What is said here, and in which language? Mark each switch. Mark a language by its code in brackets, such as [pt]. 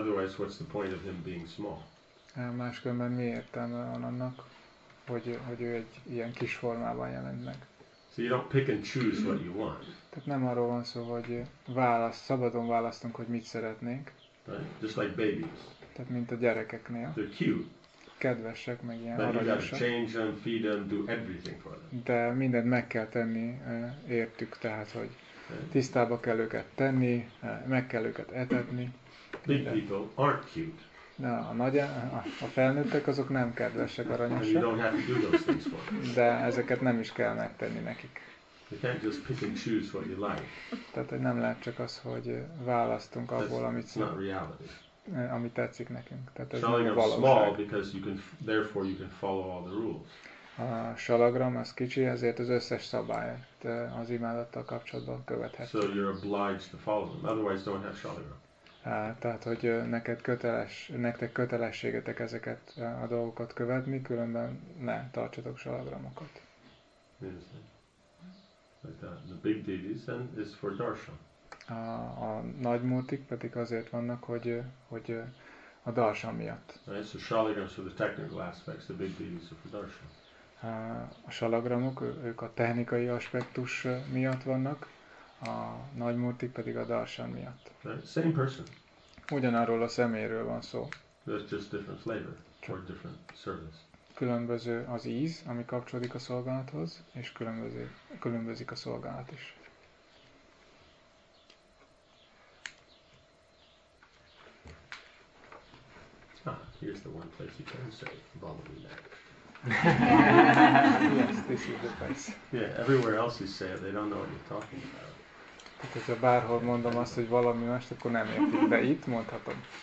[en] Otherwise, what's the point of him being small? [hu] Máskülönben mi értelme van annak, hogy ő egy ilyen kis formában jelent meg. [en] So you don't pick and choose what you want. [hu] Tehát nem arról van szó, hogy szabadon választunk, hogy mit szeretnénk. [en] Right? Just like babies. [hu] Tehát mint a gyerekeknél. [en] They're cute. [hu] Kedvesek, meg ilyen aranyosak. [en] But you gotta change them, feed them, do everything for them. [hu] De mindent meg kell tenni értük, tehát hogy tisztába kell őket tenni, meg kell őket etetni. [en] Big people aren't cute. [hu] Na, a felnőttek azok nem kedvesek, aranyosak. [en] You don't have to do those things for them. [hu] De ezeket nem is kell megtenni nekik. [en] You can't just pick and choose what you like. [hu] Tehát hogy nem lehet csak az, hogy választunk abból, amit tetszik nekünk. Tehát ez Shalagram nem a valóság. [en] Small because you can, therefore you can follow all the rules. [hu] A salagram az kicsi, ezért az összes szabályt az imádattal kapcsolatban követhet. [en] So you're obliged to follow them, otherwise don't have shalagram. [hu] Tehát, hogy nektek kötelességetek ezeket a dolgokat követni, különben ne tartsatok salagramokat. [en] The big deities then is for darshan. [hu] A nagy murtik pedig azért vannak, hogy a darshan miatt. [en] Right, so shalagrams for the technical aspects, the big deities are for darshan. [hu] A salagramok, ők a technikai aspektus miatt vannak, a nagy murtik pedig a darshan miatt. [en] Right, same person. [hu] Ugyanarról a szeméről van szó. [en] That's just different flavor or different service. [hu] Különböző az íz, ami kapcsolódik a szolgálathoz, és különbözik a szolgálat is. [en] Here's the one place you can say Balami Nek. Yes, this is the place. Yeah, everywhere else you say it, they don't know what you're talking about. [hu] Tehát, hogyha bárhol mondom azt, hogy valami mást, akkor nem értik, de itt mondhatom.